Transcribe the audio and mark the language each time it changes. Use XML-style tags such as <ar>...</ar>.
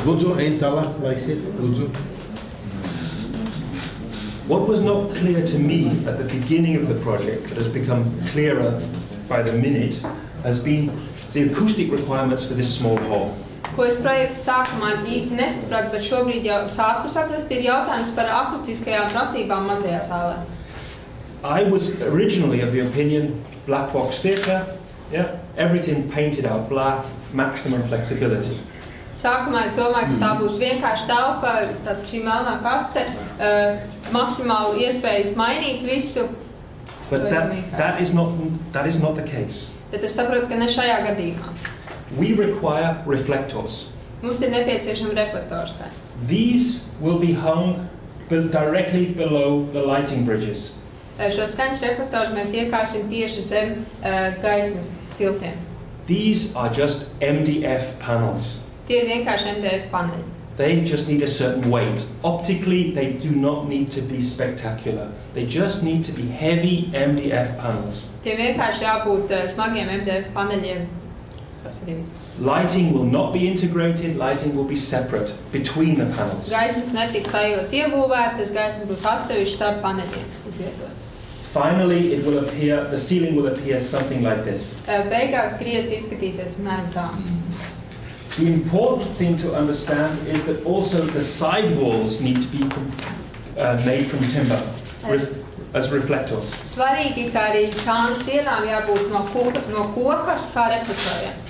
<lv>Lūdzu, ejam tālāk, laiksiet, lūdzu.</lv> <en>What was not clear to me at the beginning of the project, but has become clearer by the minute, has been the acoustic requirements for this small hall.</en> <lv>Ko es projektu sākumā īsti nesapratu, bet šobrīd jau sāku saprast, ir jautājums par akustiskajām prasībām mazajā zālē.</lv> <en>I was originally of the opinion black box theatre, yeah, everything painted out black, maximum flexibility.</en> <lv>Sākumā es domāju, ka tā būs vienkārši telpa, tāds šī melnā kaste, maksimāli iespējas mainīt visu.</lv> <en>But that is not the case.</en> <lv>Bet es sapratu, ka ne šajā gadījumā.</lv> <en>We require reflectors.</en> <lv>Mums ir nepieciešami reflektors.</lv> <en>These will be hung directly below the lighting bridges.</en> <lv>Šo skaņas reflektors mēs iekāršam tieši zem gaismas tiltiem.</lv> <en>These are just MDF panels.</en> <lv>Tie ir vienkārši MDF paneļi.</lv> <en>They just need a certain weight. Optically, they do not need to be spectacular. They just need to be heavy MDF panels.</en> <lv>Tie vienkārši jābūt smagiem MDF paneļiem.</lv> <en>Lighting will not be integrated, lighting will be separate between the panels.</en> <lv>Gaismas netiks tajos iebūvētas, gaismas būs atsevišķi starp paneļiem izvietotas.</lv> <en>Finally, the ceiling will appear something like this.</en> <lv>Beigās griezti izskatīsies apmēram tā.</lv> <en>The important thing to understand is that also the side walls need to be made from timber as reflectors.</en> <lv>Svarīgi, ka arī sānu sienām jābūt no koka kā reflektoriem.</lv>